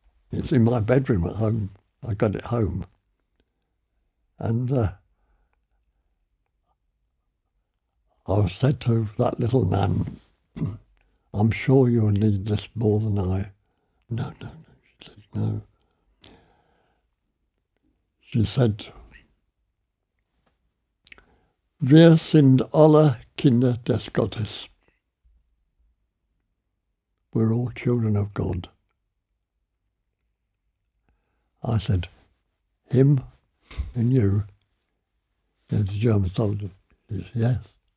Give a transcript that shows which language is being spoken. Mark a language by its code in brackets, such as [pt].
[en] It's in my bedroom at home. I got it home. And I said to that little nun, I'm sure you'll need this more than I. No, no, no. She said, no. She said, [de] wir sind alle Kinder des Gottes. [en] We're all children of God. I said, him and you? And the German soldier, he said, yes.